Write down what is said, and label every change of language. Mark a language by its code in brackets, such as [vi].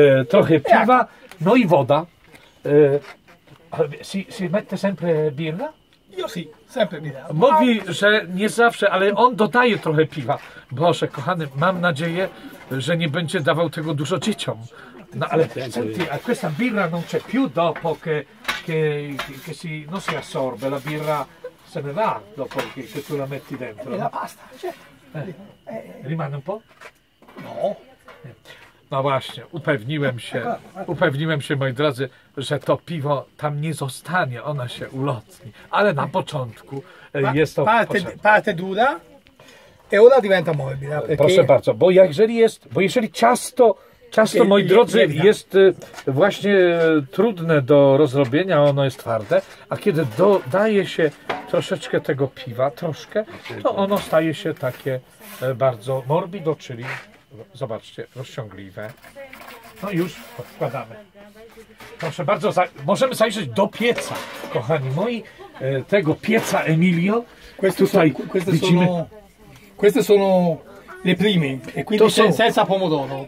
[pl] Trochę piwa, no i woda. [it] Si mette sempre birra? Io sì, sempre birra. [pl] Mówi, że nie zawsze, ale on dodaje trochę piwa. Boże, kochany, mam nadzieję, że nie będzie dawał tego dużo dzieciom. [it] No ale senti, a questa birra non c'è più dopo che si non si assorbe, la birra se ne va dopo che tu la metti dentro. E la pasta, cioè. Rimane un po'? No. [pl] No właśnie, upewniłem się, moi drodzy, że to piwo tam nie zostanie, ona się ulotni. Ale na początku jest to [it] parte dura. E ora diventa morbida. Perché... [pl] Proszę bardzo, bo jeżeli ciasto, moi drodzy, jest właśnie trudne do rozrobienia, ono jest twarde, a kiedy dodaje się troszeczkę tego piwa, troszkę, to ono staje się takie bardzo morbido, czyli zobaczcie, rozciągliwe. No już, wkładamy. Proszę bardzo, możemy zajrzeć do pieca, kochani moi, tego pieca Emilio. Tutaj widzimy... [it] Queste sono le prime, e quindi senza pomodoro.